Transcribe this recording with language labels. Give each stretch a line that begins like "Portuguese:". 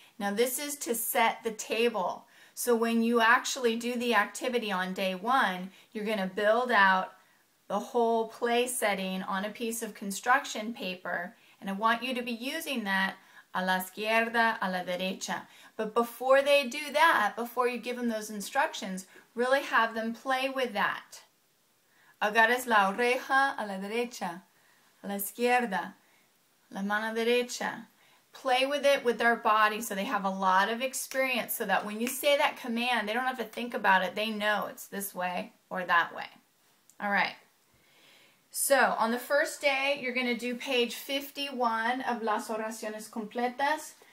English: Now this is to set the table. So when you actually do the activity on day one, you're going to build out the whole play setting on a piece of construction paper, and I want you to be using that
Spanish: a la izquierda, a la derecha.
English: But before they do that, before you give them those instructions, really have them play with that.
Spanish: Agarras la oreja a la derecha, a la izquierda, la mano derecha.
English: Play with it with their body so they have a lot of experience so that when you say that command, they don't have to think about it. They know it's this way or that way. All right. So, on the first day, you're going to do page 51 of Las Oraciones Completas.